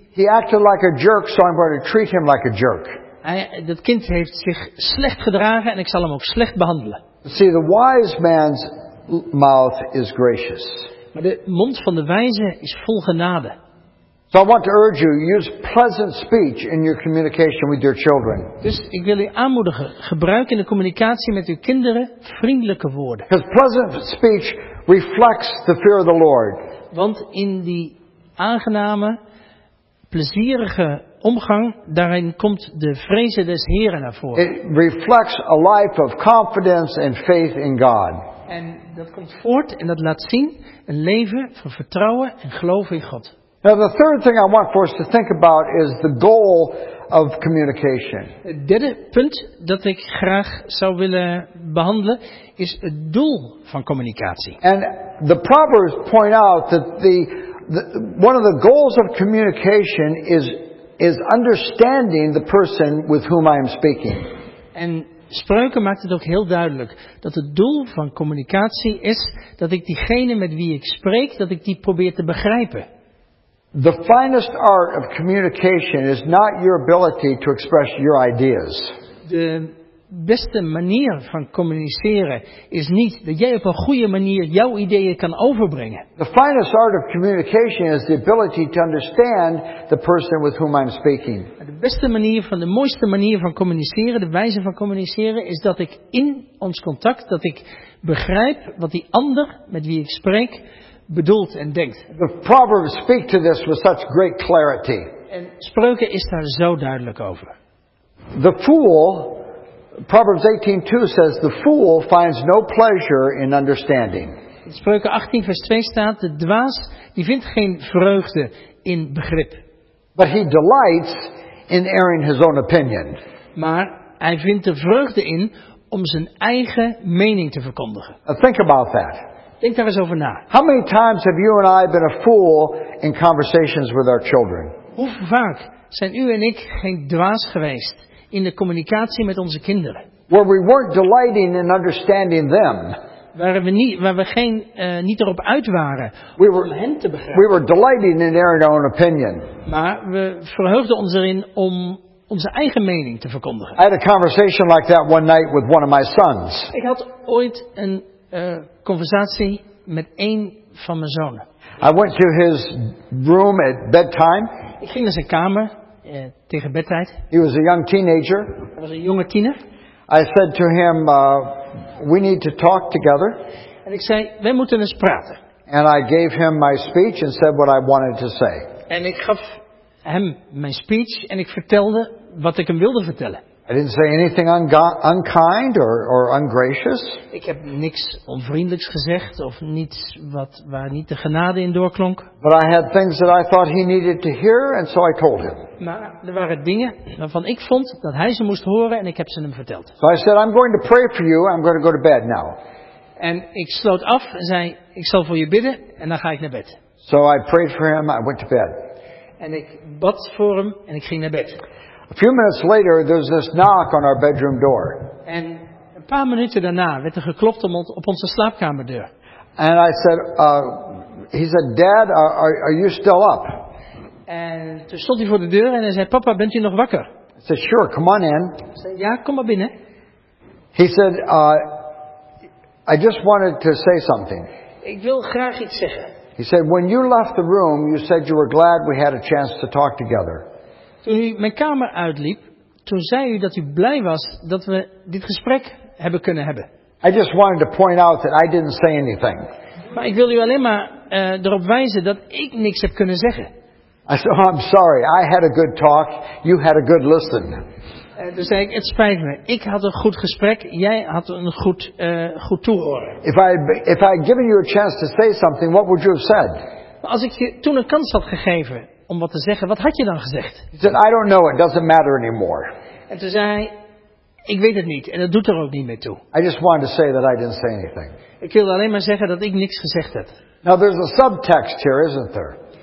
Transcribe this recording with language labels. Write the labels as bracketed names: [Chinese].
[English] He acted like a jerk, so I'm going to treat him like a jerk. [Dutch] Dat kind heeft zich slecht gedragen en ik zal hem ook slecht behandelen. [English] See, the wise man's mouth is gracious. [Dutch] Maar de mond van de wijze is vol genade. [English] So I want to urge you, use pleasant speech in your communication with your children. [Dutch] Dus ik wil u aanmoedigen, gebruik in de communicatie met uw kinderen vriendelijke woorden. [English] Because pleasant speech reflects the fear of the Lord. [Dutch] Want in die aangename, plezierige omgang, daarin komt de vreze des Heren naar voren. [English] It reflects a life of confidence and faith in God. [Dutch] En dat komt voort en dat laat zien een leven van vertrouwen en geloof in God. [English] Now the third thing I want for us to think about is the goal of communication. [Dutch] Het derde punt dat ik graag zou willen behandelen is het doel van communicatie. [English] And the Proverbs point out that one of the goals of communication is understanding the person with whom I am speaking. [Dutch] En Spreuken maakt het ook heel duidelijk dat het doel van communicatie is dat ik diegene met wie ik spreek, dat ik die probeer te begrijpen. [English] The finest art of communication is not your ability to express your ideas. [Dutch] De beste manier van communiceren is niet dat jij op een goede manier jouw ideeën kan overbrengen. [English] The finest art of communication is the ability to understand the person with whom I'm speaking. [Dutch] De mooiste manier van communiceren, de wijze van communiceren, is dat ik in ons contact, dat ik begrijp wat die ander met wie ik spreek bedoelt en denkt. [English] The Proverbs speak to this with such great clarity. [Dutch] En Spreuken is daar zo duidelijk over. [English] The fool, Proverbs 18:2 says, "The fool finds no pleasure in understanding." [Dutch] Spreuken 18 vers 2 staat, de dwaas die vindt geen vreugde in begrip. [English] But he delights in airing his own opinion. [Dutch] Maar hij vindt er vreugde in om zijn eigen mening te verkondigen. [English] Think about that. [Dutch] Denk daar eens over na. [English] How many times have you and I been a fool in conversations with our children? [Dutch] Hoe vaak zijn u en ik geen dwaas geweest in de communicatie met onze kinderen? [English] Where we weren't delighting in understanding them. [Dutch] Waar we niet erop uit waren om hen te begrijpen. [English] We were delighting in their own opinion. [Dutch] Maar we verheugden ons erin om onze eigen mening te verkondigen. [English] I had a conversation like that one night with one of my sons. [Dutch] Ik had ooit een conversatie met één van mijn zonen. [English] I went to his room at bedtime. [Dutch] Ik ging naar zijn kamer tegen bedtijd. [English] He was a young teenager. [Dutch] Hij was een jonge tiener. [English] I said to him, we need to talk together. [Dutch] En ik zei, wij moeten eens praten. [English] And I gave him my speech and said what I wanted to say. [Dutch] En ik gaf hem mijn speech en ik vertelde wat ik hem wilde vertellen. [English] I didn't say anything unkind or ungracious. [Dutch] Ik heb niks onvriendelijks gezegd of niets waar niet de genade in doorklonk. [English] But I had things that I thought he needed to hear, and so I told him. [Dutch] Maar er waren dingen waarvan ik vond dat hij ze moest horen, en ik heb ze hem verteld. [English] So I said, I'm going to pray for you. I'm going to go to bed now. [Dutch] En ik sloot af en zei, ik zal voor je bidden, en dan ga ik naar bed. [English] So I prayed for him. I went to bed. [Dutch] En ik bad voor hem en ik ging naar bed. [English] A few minutes later, there's this knock on our bedroom door. [Dutch] En een paar minuten daarna werd er geklopt op onze slaapkamerdeur. [English] And I said, he said, Dad, are you still up? [Dutch] En toen stond hij voor de deur en hij zei, papa, bent u nog wakker? [English] I said, sure, come on in. [Dutch] Ik zei, ja, kom maar binnen. [English] He said, I just wanted to say something. [Dutch] Ik wil graag iets zeggen. [English] He said, when you left the room, you said you were glad we had a chance to talk together. [Dutch] Toen u mijn kamer uitliep, toen zei u dat u blij was dat we dit gesprek hebben kunnen hebben. [English] I just wanted to point out that I didn't say anything. [Dutch] Maar ik wil u alleen maar erop wijzen dat ik niks heb kunnen zeggen. [English] I said, oh, I'm sorry, I had a good talk, you had a good listen. [Dutch] Toen zei ik, het spijt me, ik had een goed gesprek, jij had een goed toehoren. [English] If I'd given you a chance to say something, what would you have said? [Dutch] Maar als ik je toen een kans had gegeven om wat te zeggen, wat had je dan gezegd? [English] He said, I don't know, it doesn't matter anymore. [Dutch] En toen zei hij, ik weet het niet en dat doet er ook niet meer toe. [English] I just wanted to say that I didn't say anything. [Dutch] Ik wilde alleen maar zeggen dat ik niks gezegd heb. [English] Now there's a subtext here, isn't there?